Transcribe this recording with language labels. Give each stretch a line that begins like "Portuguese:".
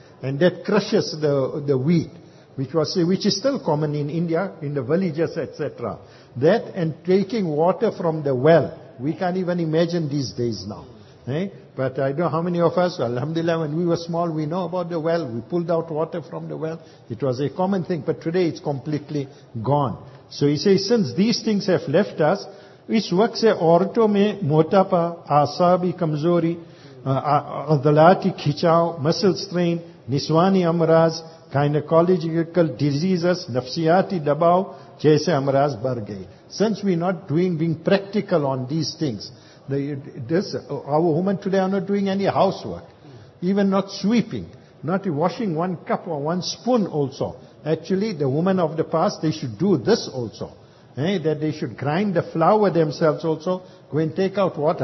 English: And that crushes the wheat, which is still common in India, in the villages, etc. That and taking water from the well, we can't even imagine these days now. Eh? But I don't know how many of us, alhamdulillah, when we were small, we know about the well. We pulled out water from the well. It was a common thing, but today it's completely gone. So he says, since these things have left us,
Urdu: اس وقت سے عورتوں میں موٹاپا, اعصابی کمزوری, عضلاتی کھچاؤ, مسل strain, نسوانی امراض,
English: gynecological diseases,
Urdu: نفسیاتی دباؤ جیسے امراض بڑھ گئے.
English: Since we're not being practical on these things, our women today are not doing any housework, even not sweeping, not washing one cup or one spoon also. Actually, the women of the past, they should do this also. That they should grind the flour themselves also. Go and take out water.